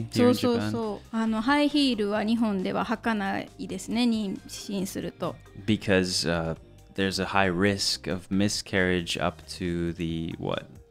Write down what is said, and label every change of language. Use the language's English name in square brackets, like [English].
[English] うん、here in Japan. [Japanese] そうそうそう。ハイヒールは日本では履かないですね、妊娠すると。 [English] Because、there's a high risk of miscarriage up to the what?